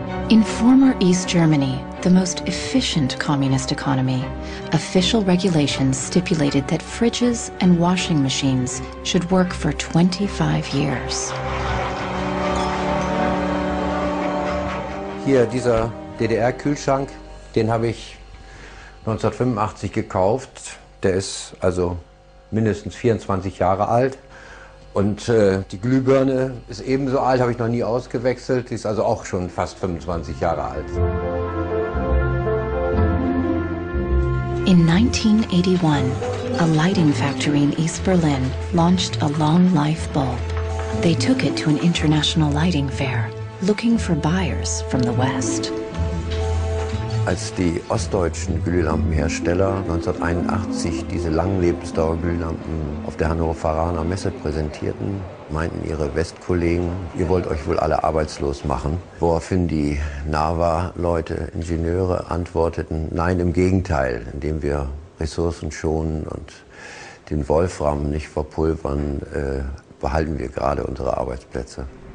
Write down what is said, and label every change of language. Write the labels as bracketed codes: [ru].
[en] In former East Germany, the most efficient communist economy, official regulations stipulated that fridges and washing machines should work for 25 years. [de] Here, dieser DDR-Kühlschrank, den habe ich 1985 gekauft. Der ist also mindestens 24 Jahre alt. Und die Glühbirne ist ebenso alt, habe ich noch nie ausgewechselt, die ist also auch schon fast 25 Jahre alt. [en] In 1981, a lighting factory in East Berlin launched a long life bulb. They took it to an international lighting fair, looking for buyers from the West. [de] Als die ostdeutschen Glühlampenhersteller 1981 diese langen Lebensdauerglühlampen auf der Hannoveraner Messe präsentierten, meinten ihre Westkollegen, ihr wollt euch wohl alle arbeitslos machen. Woraufhin die NAVA-Leute, Ingenieure, antworteten, nein, im Gegenteil, indem wir Ressourcen schonen und den Wolfram nicht verpulvern, behalten wir gerade unsere Arbeitsplätze.